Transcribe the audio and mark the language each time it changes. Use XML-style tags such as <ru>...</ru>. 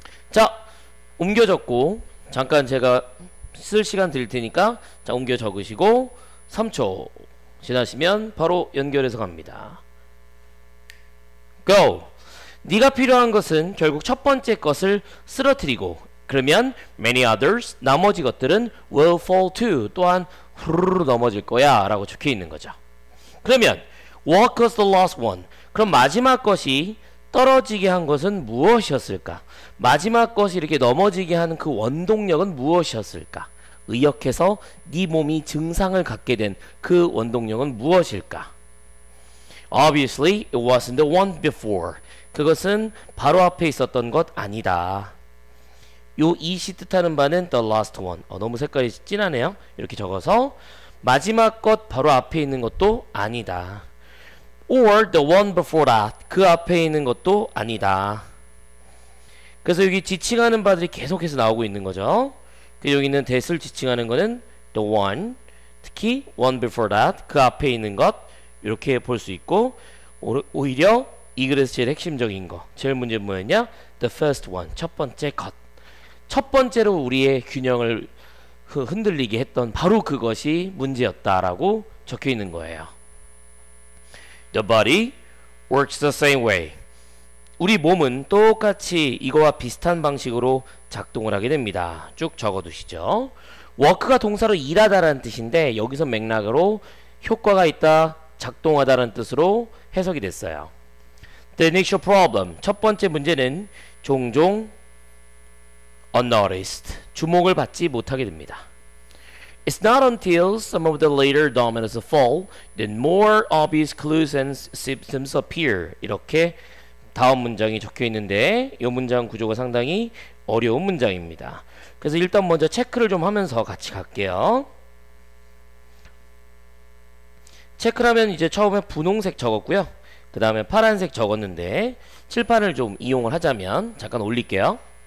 <ko>자, 옮겨졌고, 잠깐 제가 쓸 시간 드릴 테니까, 자, 옮겨 적으시고, 3초 지나시면 바로 연결해서 갑니다.</ko> <en>Go!</en> <ko>네가 필요한 것은 결국 첫 번째 것을 쓰러뜨리고, 그러면</ko> <en>many others,</en> <ko>나머지 것들은</ko> <en>will fall too,</en> <ko>또한 후루루 넘어질 거야, 라고 적혀 있는 거죠. 그러면,</ko> <en>what was the last one?</en> <ko>그럼 마지막 것이 떨어지게 한 것은 무엇이었을까? 마지막 것이 이렇게 넘어지게 한그 원동력은 무엇이었을까? 의역해서 네 몸이 증상을 갖게 된그 원동력은 무엇일까?</ko> <en>Obviously, it wasn't the one before.</en> <ko>그것은 바로 앞에 있었던 것 아니다. 요 이시 뜻하는 바는</ko> <en>the last one.</en> <ko>너무 색깔이 진하네요. 이렇게 적어서 마지막 것 바로 앞에 있는 것도 아니다.</ko> <en>Or the one before that.</en> <ko>그 앞에 있는 것도 아니다. 그래서 여기 지칭하는 바들이 계속해서 나오고 있는 거죠. 여기 있는 that을 지칭하는 거는 the one. 특히</ko> <en>one before that.</en> <ko>그 앞에 있는 것. 이렇게 볼수 있고, 오히려 이 글에서 제일 핵심적인 거, 제일 문제 뭐였냐?</ko> <en>The first one,</en> <ko>첫 번째 컷. 첫 번째로 우리의 균형을 흔들리게 했던 바로 그것이 문제였다라고 적혀 있는 거예요.</ko> <en>The body works the same way.</en> <ko>우리 몸은 똑같이 이거와 비슷한 방식으로 작동을 하게 됩니다. 쭉 적어두시죠. work가 동사로 일하다라는 뜻인데 여기서 맥락으로 효과가 있다, 작동하다라는 뜻으로 해석이 됐어요.</ko> <en>The initial problem,</en> <ko>첫 번째 문제는 종종 unnoticed, 주목을 받지 못하게 됩니다.</ko> <en>It's not until some of the later dominoes fall that more obvious clues and symptoms appear.</en> <ko>이렇게 다음 문장이 적혀 있는데, 이 문장 구조가 상당히 어려운 문장입니다. 그래서 일단 먼저 체크를 좀 하면서 같이 갈게요. 체크라면 이제 처음에 분홍색 적었고요. 그 다음에 파란색 적었는데, 칠판을 좀 이용을 하자면, 잠깐 올릴게요.</ko>